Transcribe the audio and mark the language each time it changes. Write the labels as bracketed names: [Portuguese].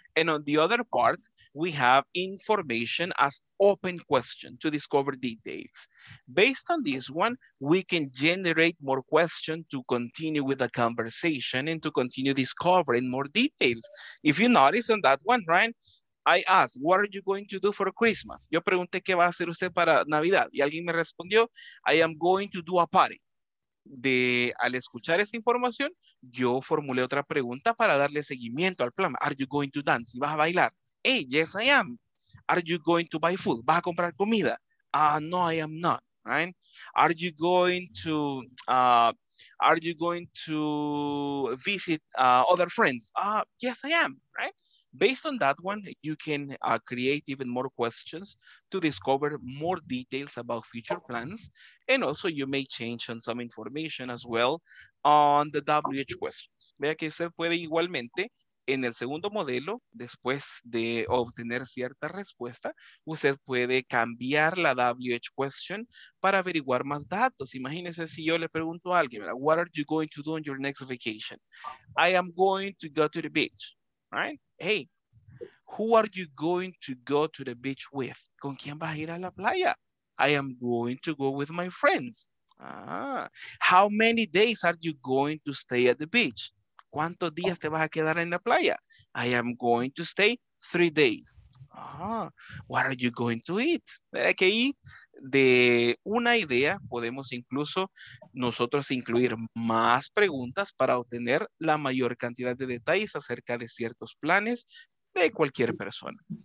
[English] And on the other part, we have information as open question to discover details. Based on this one, we can generate more questions to continue with the conversation and to continue discovering more details. If you notice on that one, Ryan, I asked, what are you going to do for Christmas? [Spanish] Yo pregunté, ¿qué va a hacer usted para Navidad? Y alguien me respondió, [English] I am going to do a party. [Spanish] De al escuchar esa información, yo formulé otra pregunta para darle seguimiento al plan. [English] Are you going to dance? [Spanish] ¿Y vas a bailar? [English] Hey, yes, I am. Are you going to buy food? [Spanish] ¿Vas a comprar comida? [English] No, I am not, right? Are you going to visit other friends? Yes, I am, right? Based on that one, you can create even more questions to discover more details about future plans. And also you may change on some information as well on the WH questions. [Spanish] Vea que usted puede igualmente en el segundo modelo, después de obtener cierta respuesta, usted puede cambiar la WH question para averiguar más datos. Imagínese si yo le pregunto a alguien, [English] what are you going to do on your next vacation? I am going to go to the beach, right? Hey, who are you going to go to the beach with? [Spanish] ¿Con quién vas a ir a la playa? [English] I am going to go with my friends. How many days are you going to stay at the beach? [Spanish] ¿Cuántos días te vas a quedar en la playa? [English] I am going to stay 3 days. What are you going to eat? [Spanish] ¿Verdad que ahí de una idea podemos incluso nosotros incluir más preguntas para obtener la mayor cantidad de detalles acerca de ciertos planes de cualquier persona?